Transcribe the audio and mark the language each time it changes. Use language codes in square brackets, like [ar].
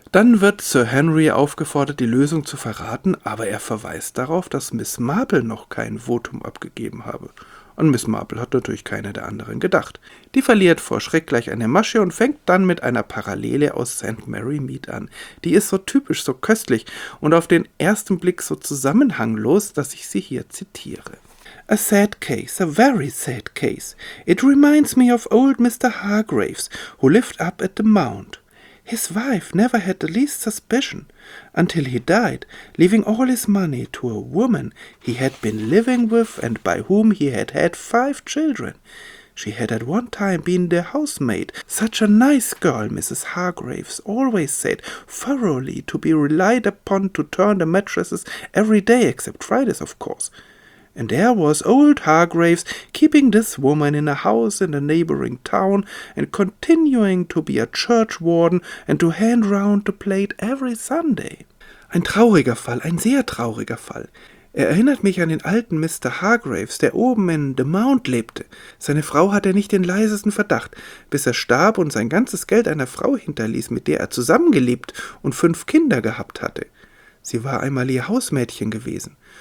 [de] Dann wird Sir Henry aufgefordert, die Lösung zu verraten, aber er verweist darauf, dass Miss Marple noch kein Votum abgegeben habe. Und Miss Marple hat natürlich keine der anderen gedacht. Die verliert vor Schreck gleich eine Masche und fängt dann mit einer Parallele aus St. Mary Mead an. Die ist so typisch, so köstlich und auf den ersten Blick so zusammenhanglos, dass ich sie hier zitiere. [en] A sad case, a very sad case. It reminds me of old Mr. Hargraves, who lived up at the Mount. His wife never had the least suspicion, until he died, leaving all his money to a woman he had been living with and by whom he had had 5 children. She had at one time been the housemaid, such a nice girl, Mrs. Hargraves always said, thoroughly to be relied upon to turn the mattresses every day, except Fridays, of course. And there was old Hargraves keeping this woman in a house in a neighboring town and continuing to be a churchwarden and to hand round the plate every Sunday. [de] Ein trauriger Fall, ein sehr trauriger Fall. Er erinnert mich an den alten Mr. Hargraves, der oben in The Mount lebte. Seine Frau hatte nicht den leisesten Verdacht, bis er starb und sein ganzes Geld einer Frau hinterließ, mit der er zusammengelebt und 5 Kinder gehabt hatte. Sie war einmal ihr Hausmädchen gewesen.